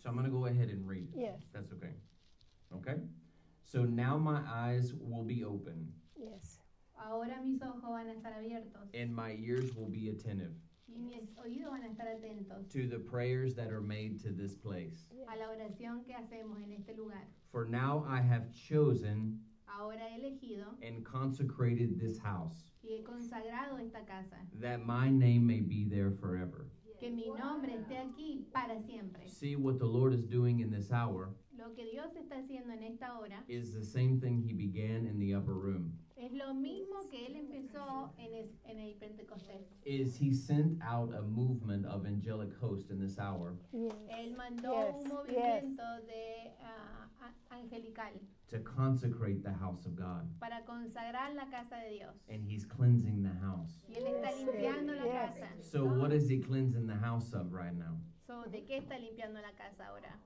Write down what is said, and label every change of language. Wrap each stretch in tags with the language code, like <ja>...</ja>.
<en>So I'm going to go ahead and read. Yes. That's okay. Okay? So now my eyes will be open. Yes.</en> <es>Ahora mis ojos van a estar abiertos.</es> <en>And my ears will be attentive.</en> <es>Y mis oídos van a estar atentos.</es> <en>To the prayers that are made to this place. Yes.</en> <es>A la oración que hacemos en este lugar.</es> <en>For now I have chosen</en> <es>ahora he elegido</es> <en>and consecrated this house</en> <es>y he consagrado esta casa</es> <en>that my name may be there forever. Yes.</en> <es>Que mi nombre wow. esté aquí para siempre.</es> <en>See what the Lord is doing in this hour</en> <es>lo que Dios está haciendo en esta hora</es> <en>is the same thing he began in the upper room.</en> <es>Es lo mismo mismo que él empezó en el Pentecostés.</es> <en>Is he sent out a movement of angelic host in this hour?</en> <es>Él mandó un movimiento de angelical.</es> <en>To consecrate the house of God.</en> <es>Para consagrar la casa de Dios.</es> <en>And he's cleansing the house.</en> <es>Y él está limpiando la casa.</es> <en>So what is he cleansing the house of right now?</en> <es>So, ¿de qué está limpiando la casa ahora?</es>